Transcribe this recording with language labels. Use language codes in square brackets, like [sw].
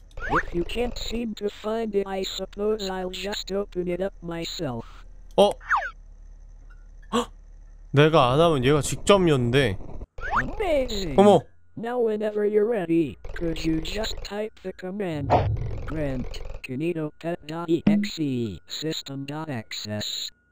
[en] If you can't seem to find it, I suppose I'll just open it up myself. 어? [ko] 내가 안 하면 얘가 직접 연대. [en] Amazing. 어머. Now whenever you're ready, could you just type the command grant kinetopet.exe system.access.